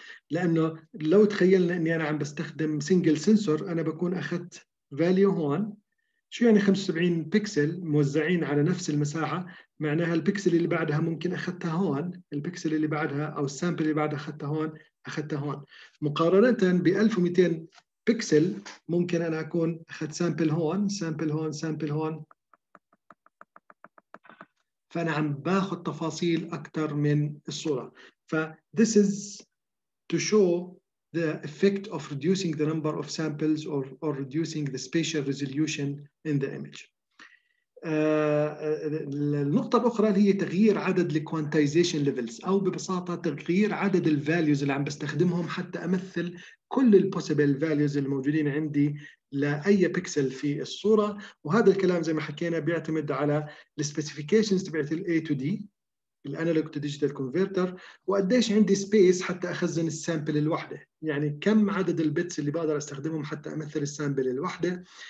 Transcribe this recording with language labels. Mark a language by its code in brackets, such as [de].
[ar] لأنه لو تخيلنا أني أنا عم بستخدم سينجل سنسور، أنا بكون أخذت فاليو هون، شو يعني 75 بيكسل موزعين على نفس المساحة؟ معناها البيكسل اللي بعدها ممكن أخذتها هون، البيكسل اللي بعدها أو السامبل اللي بعدها أخذتها هون، مقارنة ب 1200 بيكسل ممكن أنا أكون أخذت سامبل هون، سامبل هون، سامبل هون. فأنا عم باخذ تفاصيل أكثر من الصورة. [en] ف this is to show the effect of reducing the number of samples or reducing the spatial resolution in the image. [ar] النقطة الأخرى هي تغيير عدد الـ quantization levels، أو ببساطة تغيير عدد الـ values اللي عم بستخدمهم حتى أمثل كل الـ possible values الموجودين عندي لأي بيكسل في الصورة. وهذا الكلام زي ما حكينا بيعتمد على الـ specifications تبعت الـ A to D الانالوج تو ديجيتال كونفرتر، وقديش عندي سبيس حتى اخزن السامبل الواحده، يعني كم عدد البيتس اللي بقدر استخدمهم حتى امثل السامبل الواحده.